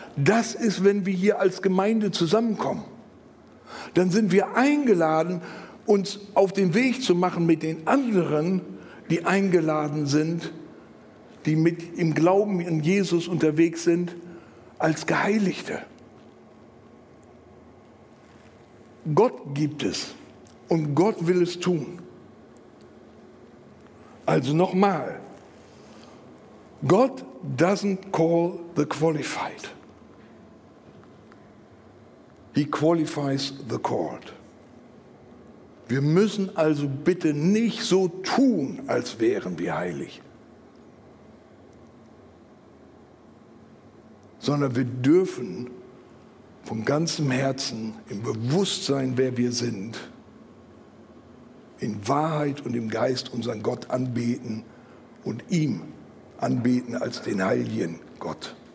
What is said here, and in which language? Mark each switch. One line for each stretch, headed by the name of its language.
German: Das ist, wenn wir hier als Gemeinde zusammenkommen. Dann sind wir eingeladen, uns auf den Weg zu machen mit den anderen, die eingeladen sind, die mit im Glauben an Jesus unterwegs sind, als Geheiligte. Gott gibt es und Gott will es tun. Also nochmal,
English: God doesn't call the qualified. He qualifies the called.
German: Wir müssen also bitte nicht so tun, als wären wir heilig. Sondern wir dürfen von ganzem Herzen im Bewusstsein, wer wir sind, in Wahrheit und im Geist unseren Gott anbeten und ihm anbeten als den heiligen Gott.